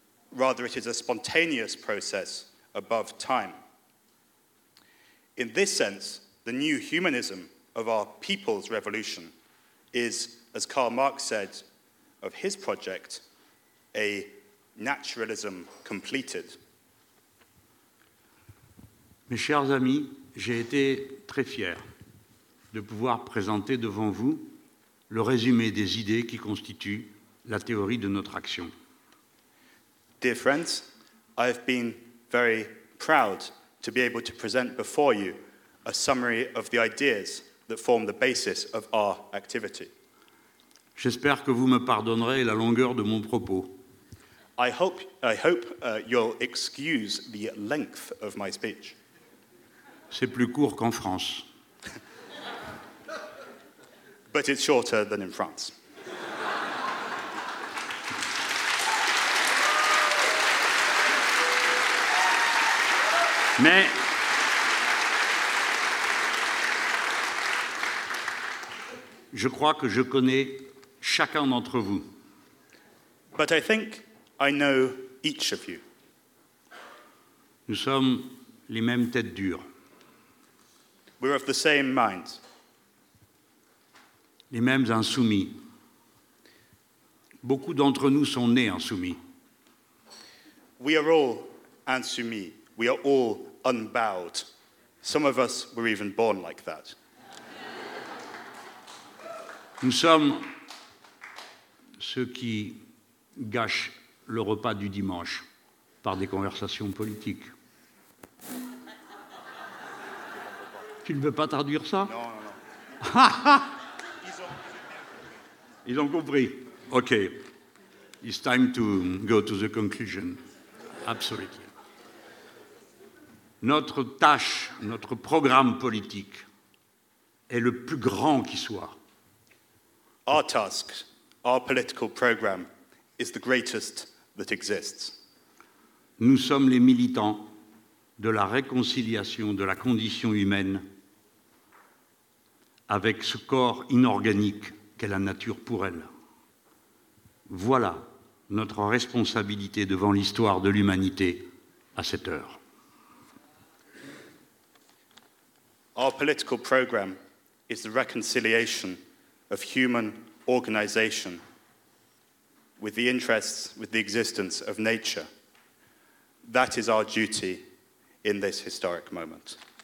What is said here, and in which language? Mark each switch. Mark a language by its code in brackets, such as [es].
[en] Rather, it is a spontaneous process above time. In this sense, the new humanism of our people's revolution is, as Karl Marx said of his project, a naturalism completed. [fr] Mes chers amis, j'ai été très fier de pouvoir présenter devant vous le résumé des idées qui constituent la théorie de notre action. [en] Dear friends, I have been very proud to be able to present before you a summary of the ideas that form the basis of our activity. [fr] J'espère que vous me pardonnerez la longueur de mon propos. [en] I hope you'll excuse the length of my speech. [fr] C'est plus court qu'en France. [en] But it's shorter than in France. [fr] Mais je crois que je connais chacun d'entre vous. [en] But I think I know each of you. [fr] Nous sommes les mêmes têtes dures. [en] We're of the same mind. [fr] Les mêmes insoumis. Beaucoup d'entre nous sont nés insoumis. [en] We are all insoumis. We are all unbowed. Some of us were even born like that. [fr] Nous sommes ceux qui gâchent le repas du dimanche par des conversations politiques. Tu ne veux pas traduire ça? Non. Ils ont compris. [en] OK. It's time to go to the conclusion. Absolutely. [fr] Notre tâche, notre programme politique est le plus grand qui soit. [en] Our task, our political program, is the greatest that exists. [fr] Nous sommes les militants de la réconciliation de la condition humaine avec ce corps inorganique qu'est la nature pour elle. Voilà notre responsabilité devant l'histoire de l'humanité à cette heure. [en] Our political program is the reconciliation of human organization with the interests, with the existence of nature. That is our duty in this historic moment.